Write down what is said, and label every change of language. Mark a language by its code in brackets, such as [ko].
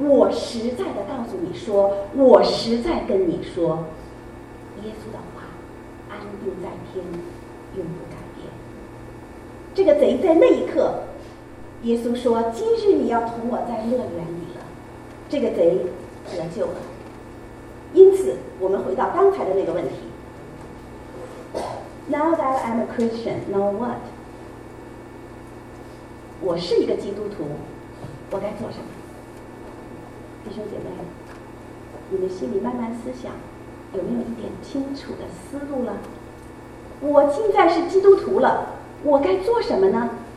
[zh] 我实在的告诉你说，我实在跟你说，耶稣的话安定在天，永不改变。这个贼在那一刻，耶稣说：“今日你要同我在乐园里了。”这个贼得救了。因此，我们回到刚才的那个问题 ： [en] Now that I'm a Christian, now what？ [zh] 我是一个基督徒，我该做什么？弟兄姐妹，你们心里慢慢思想，有没有一点清楚的思路了？我现在是基督徒了，我该做什么呢？